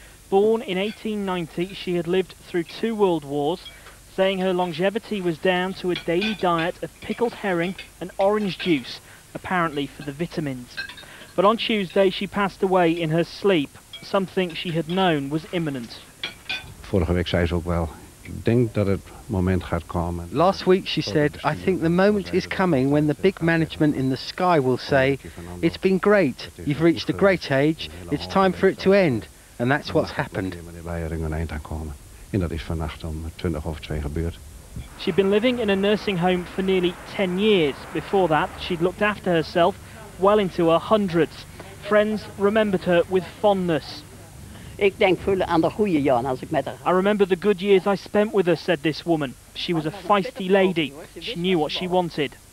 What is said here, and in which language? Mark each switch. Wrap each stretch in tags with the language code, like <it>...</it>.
<en>Born in 1890, she had lived through two world wars, saying her longevity was down to a daily diet of pickled herring and orange juice, apparently for the vitamins. But on Tuesday, she passed away in her sleep, something she had known was imminent.</en> <nl>Vorige week zei ze ook wel, ik denk dat het moment gaat komen.</nl> <en>Last week she said, I think the moment is coming when the big management in the sky will say, it's been great, you've reached a great age, it's time for it to end. And that's what's happened.</en> <nl>En dat is vannacht om 2:20 gebeurd.</nl> <en>She'd been living in a nursing home for nearly 10 years. Before that, she'd looked after herself well into her hundreds. Friends remembered her with fondness.</en> <nl>Ik denk veel aan de goede jaren als ik met haar.</nl> <en>I remember the good years I spent with her, said this woman. She was a feisty lady. She knew what she wanted.</en>